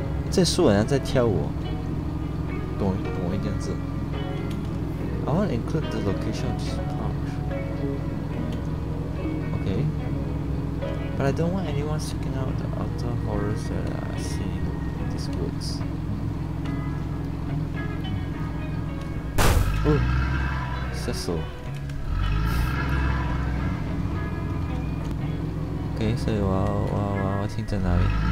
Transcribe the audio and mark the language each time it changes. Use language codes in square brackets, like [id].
[zh] 这树好像在跳舞，咚咚一点子。 [en] I want to include the location of this park. Okay, but I don't want anyone checking out the other horrors that I see in these woods. [zh] 哦，吓死我 ！OK， 所以我停在哪里？